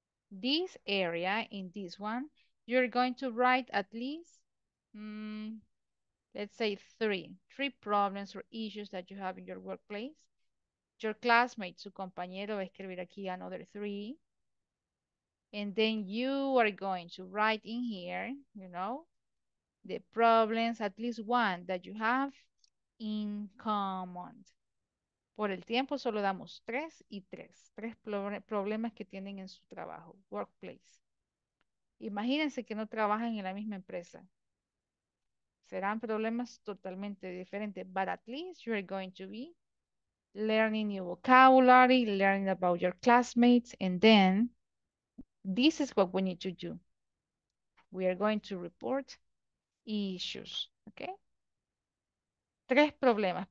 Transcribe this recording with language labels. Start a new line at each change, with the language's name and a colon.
English: This area in this one, you're going to write at least, let's say three problems or issues that you have in your workplace. Your classmate,
Spanish: su compañero, va a escribir aquí
English: another three. And then you are going to write in here, you know, the problems, at least one that you have in common.
Spanish: Por el tiempo solo damos tres y tres. Tres problemas que tienen en su trabajo, workplace. Imagínense que no trabajan en la misma empresa. Serán problemas totalmente diferentes,
English: but at least you are going to be learning new vocabulary, learning about your classmates, and then this is what we need to do. We are going to report issues, okay?
Spanish: Tres problemas.